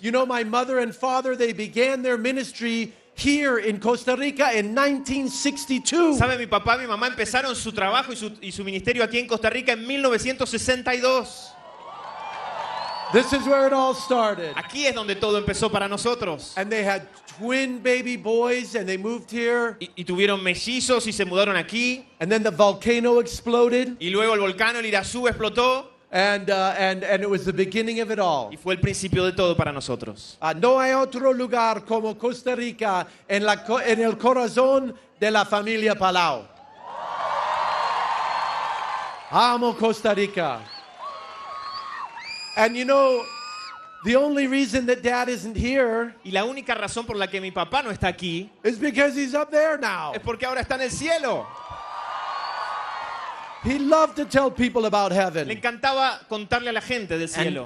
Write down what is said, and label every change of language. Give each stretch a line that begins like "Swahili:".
English: You know, my mother and father, they began their ministry here in Costa Rica in 1962.
Spanish: ¿Sabe, mi papá y mi mamá empezaron su trabajo y su ministerio aquí en Costa Rica en 1962?
English: This is where it all started.
Spanish: Aquí es donde todo empezó para nosotros.
English: And they had twin baby boys and they moved here.
Spanish: Y tuvieron mellizos y se mudaron aquí.
English: And then the volcano exploded.
Spanish: Y luego el volcán El Irazú explotó.
English: And it was the beginning of it all.
Spanish: Y fue el principio de todo para nosotros. No hay otro lugar como Costa Rica en el corazón de la familia Palau. Amo Costa Rica.
English: And you know, the only reason that Dad isn't here,
Spanish: y la única razón por la que mi papá no está aquí,
English: is because he's up there now.
Spanish: Es porque ahora está en el cielo.
English: He loved to tell people about heaven.
Spanish: Le encantaba contarle a la gente del cielo.